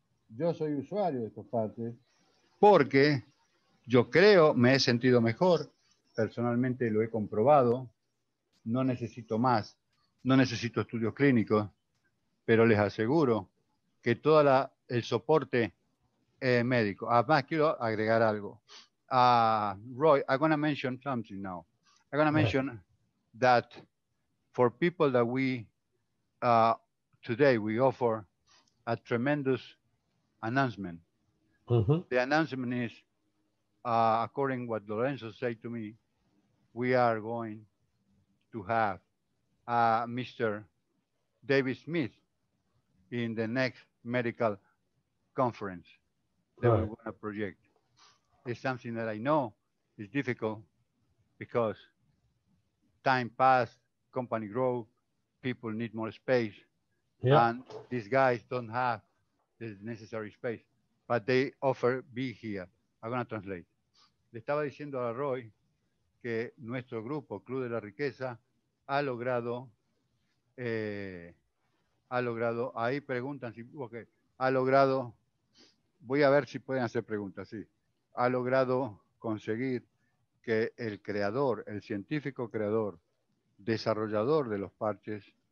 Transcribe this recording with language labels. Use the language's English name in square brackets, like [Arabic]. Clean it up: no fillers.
[Spanish] Yo soy usuario de estos partes porque yo creo, me he sentido mejor. Personalmente lo he comprobado. No necesito más. No necesito estudios clínicos. Pero les aseguro que todo el soporte médico. Además, quiero agregar algo. [English] Roy, I'm going to mention something now. I'm going to mention that for people that we today we offer a tremendous announcement. The announcement is, according what Lorenzo said to me, we are going to have Mr. David Smith in the next medical conference that we want to project. It's something that I know is difficult because time passed, company grow, people need more space, and these guys don't have the necessary space, but they offer be here. I'm going to translate. [Spanish] Le estaba diciendo a Roy que nuestro grupo, Club de la Riqueza, ha logrado, ahí preguntan, si, okay, ha logrado, voy a ver si pueden hacer preguntas, sí, ha logrado conseguir que el creador, el científico creador, desarrollador de los parches,